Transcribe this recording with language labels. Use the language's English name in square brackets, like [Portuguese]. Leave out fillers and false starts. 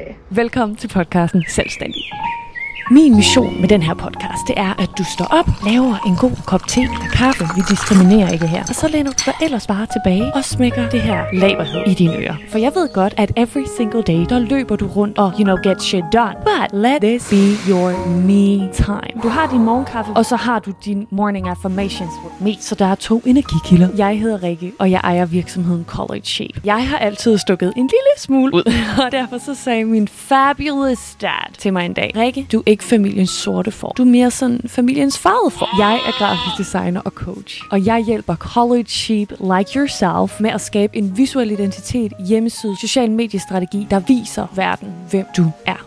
[Danish] Velkommen til podcasten Selvstændig. Min mission med den her podcast, det er, at du står op, laver en god kop te eller kaffe. Vi diskriminerer ikke her. Og så læner du dig ellers bare tilbage og smækker det her laberhed i dine ører. For jeg ved godt, at [English] every single day, [Danish] der løber du rundt og, [English] you know, get shit done. But let this be your me time. [Danish] Du har din morgenkaffe, og så har du din [English] morning affirmations with me. [Danish] Så der er to energikilder. Jeg hedder Rikke, og jeg ejer virksomheden College Shape. Jeg har altid stukket en lille smule ud. Og derfor så sagde min [English] fabulous dad [Danish] til mig en dag, Rikke, du ikke familiens sorte får. Du er mere sådan familiens farvede får. Jeg er grafisk designer og coach, og jeg hjælper [English] college sheep like yourself [Danish] med at skabe en visuel identitet, hjemmeside, social mediestrategi, der viser verden, hvem du er.